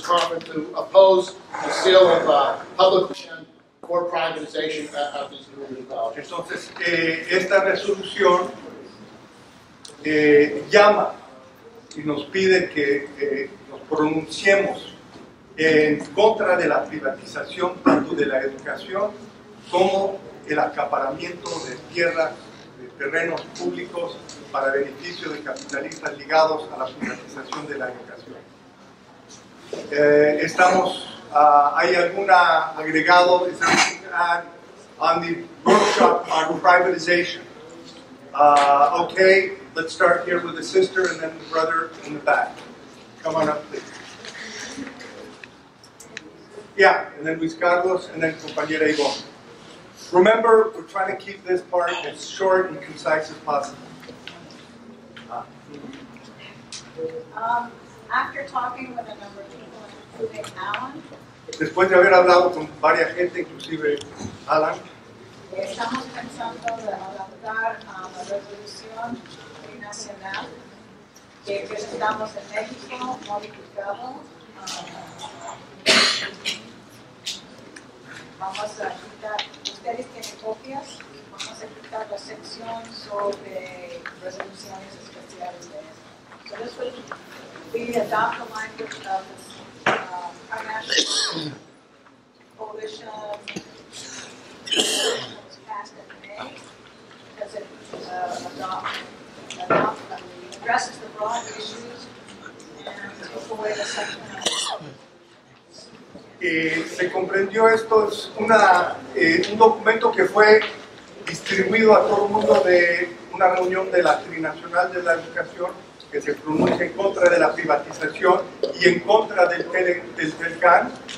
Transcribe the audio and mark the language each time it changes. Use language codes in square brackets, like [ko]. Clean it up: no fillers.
[en] Carmen, to oppose the sale of public land for privatization of these community colleges. [es] Entonces, esta resolución llama y nos pide que nos pronunciemos en contra de la privatización tanto de la educación como el acaparamiento de tierra, de terrenos públicos para beneficio de capitalistas ligados a la privatización de la educación. Estamos, hay alguna agregado, estamos [en] on the workshop on privatization. Okay, let's start here with the sister and then the brother in the back. Come on up, please. Yeah, and then Luis Carlos and then compañera Ivonne. Remember, we're trying to keep this part as short and concise as possible. After talking with a number of people, including Alan, [es] después de haber hablado con varias gente, inclusive Alan, estamos pensando de adaptar la resolución nacional que presentamos en México, modificado. Vamos a quitar, ustedes tienen copias, vamos a quitar la sección sobre resoluciones especiales de esto. [en] So this would be adopt the language of this, our national coalition that was passed in May, because it addresses the broad issues and took away the second [es] Se comprendió esto, es un documento que fue distribuido a todo el mundo de una reunión de la Trinacional de la Educación que se pronuncia en contra de la privatización y en contra del TELCAN.